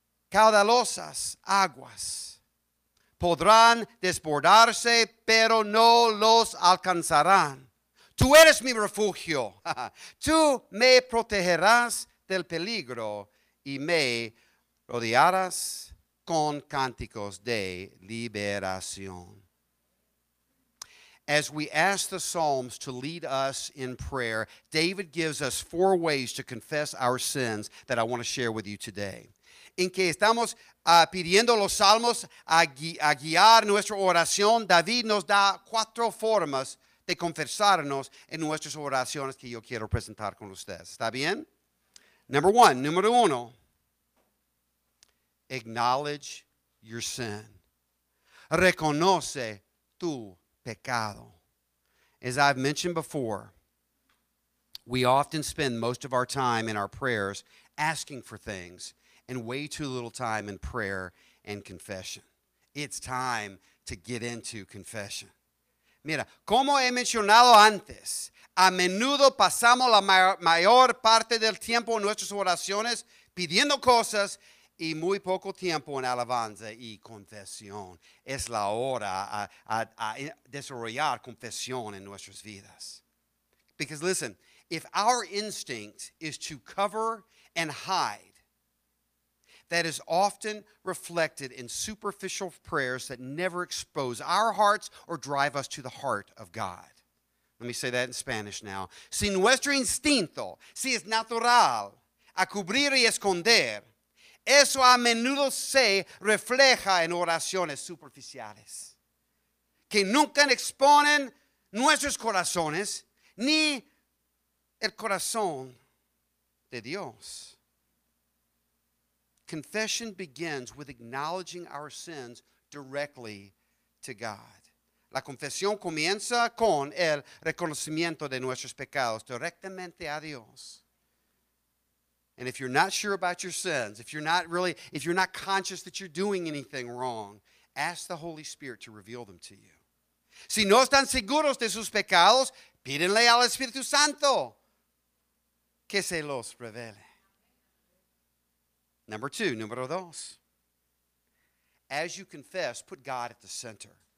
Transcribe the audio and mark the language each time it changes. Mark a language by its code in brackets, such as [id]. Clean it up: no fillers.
[es] Caudalosas aguas podrán desbordarse, pero no los alcanzarán. Tú eres mi refugio. Tú me protegerás del peligro y me rodearás con cánticos de liberación. [en] As we ask the Psalms to lead us in prayer, David gives us four ways to confess our sins that I want to share with you today. [es] En que estamos pidiendo los salmos a guiar nuestra oración, David nos da cuatro formas de confesarnos en nuestras oraciones que yo quiero presentar con ustedes. ¿Está bien? Número uno, [en] acknowledge your sin. [es] Reconoce tu pecado. [en] As I've mentioned before, we often spend most of our time in our prayers asking for things and way too little time in prayer and confession. It's time to get into confession. [es] Mira, como he mencionado antes, a menudo pasamos la mayor parte del tiempo en nuestras oraciones pidiendo cosas y muy poco tiempo en alabanza y confesión. Es la hora a desarrollar confesión en nuestras vidas. [en] Because listen, if our instinct is to cover and hide, that is often reflected in superficial prayers that never expose our hearts or drive us to the heart of God. Let me say that in Spanish now. [es] Si nuestro instinto, si es natural a cubrir y esconder, eso a menudo se refleja en oraciones superficiales, que nunca exponen nuestros corazones ni el corazón de Dios. [en] Confession begins with acknowledging our sins directly to God. [es] La confesión comienza con el reconocimiento de nuestros pecados directamente a Dios. [en] And if you're not sure about your sins, if you're not conscious that you're doing anything wrong, ask the Holy Spirit to reveal them to you. [es] Si no están seguros de sus pecados, pídenle al Espíritu Santo que se los revele. [en] Number two, [es] número dos. [en] As you confess, put God at the center.